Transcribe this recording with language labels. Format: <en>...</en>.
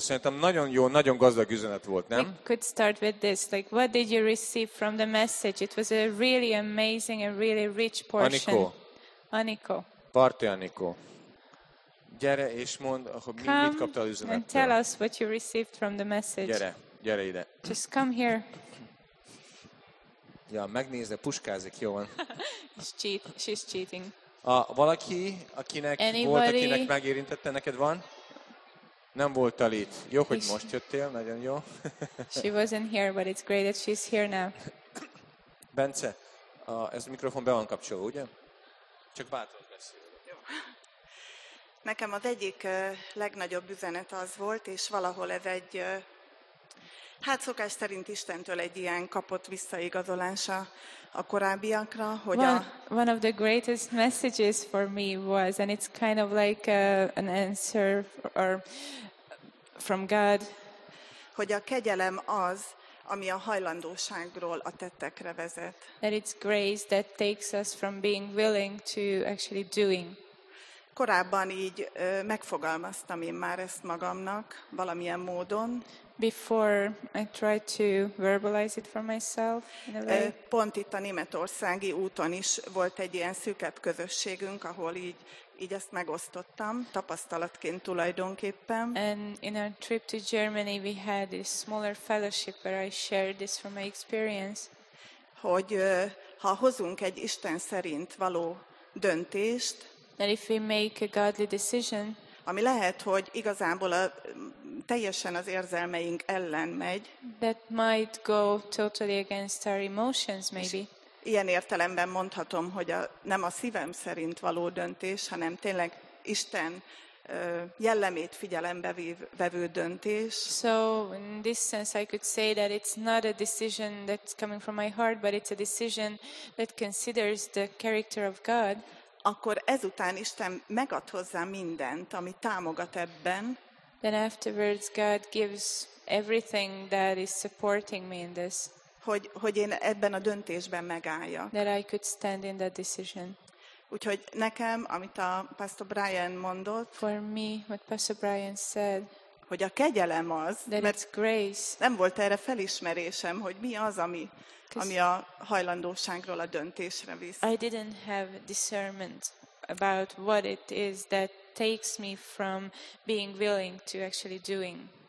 <hu>Szerintem nagyon jó, nagyon gazdag üzenet volt, nem?</hu> <en>We could start with this. Like, what did you receive from the message? It was a really amazing and really rich portion.</en> <hu>Anikó. Parti Anikó. Gyere és mondd, hogy mit kaptál az üzenetből.</hu> <en>Come and tell us what you received from the message.</en> <hu>Gyere ide.</hu> <en>Just come here.</en> <hu>Ja, megnézze, puskázik, jó van.</hu> <en>She's cheating.</en> <hu>Valaki, akinek volt, akinek megérintette, neked van? Nem voltál itt. Jó, hogy most jöttél, nagyon jó.</hu> <en>She wasn't here, but it's great that she's here now.</en> <hu>Bence, ez a mikrofon be van kapcsolva, ugye? Csak bátran beszélj. Nekem az egyik legnagyobb üzenet az volt, és valahol ez egy, hát szokás szerint Istentől egy ilyen kapott visszaigazolása a korábbiakra, hogy</hu> <en>One of the greatest messages for me was, and it's kind of like an answer or from God,</en> <hu>hogy a kegyelem az, ami a hajlandóságról a tettekre vezet.</hu> <en>That it's grace that takes us from being willing to actually doing.</en> <hu>Korábban így megfogalmaztam én már ezt magamnak valamilyen módon.</hu> <en>Before I tried to verbalize it for myself in a way.</en> <hu>Pont itt a németországi úton is volt egy ilyen szűkebb közösségünk, ahol így ezt megosztottam, tapasztalatként tulajdonképpen.</hu> <en>And in our trip to Germany we had a smaller fellowship where I shared this from my experience.</en> <hu>Hogy ha hozunk egy Isten szerint való döntést,</hu> <en>that if we make a godly decision,</en> <hu>ami lehet, hogy igazából teljesen az érzelmeink ellen megy.</hu> <en>That might go totally against our emotions, maybe.</en> <hu>Ilyen értelemben mondhatom, hogy nem a szívem szerint való döntés, hanem tényleg Isten jellemét figyelembe vevő döntés.</hu> <en>So in this sense I could say that it's not a decision that's coming from my heart, but it's a decision that considers the character of God.</en> <hu>Akkor ezután Isten megad hozzá mindent, ami támogat ebben.</hu> <en>Then afterwards God gives everything that is supporting me in this.</en> <hu>Hogy én ebben a döntésben megálljak.</hu> <en>That I could stand in that decision.</en> <hu>Úgyhogy nekem, amit a Pastor Brian mondott,</hu> <en>for me, what Pastor Brian said,</en> <hu>hogy a kegyelem az, mert grace, nem volt erre felismerésem, hogy mi az, ami a hajlandóságról a döntésre visz.</hu> <en>I didn't have discernment about what it is that takes me from being willing to actually doing.</en>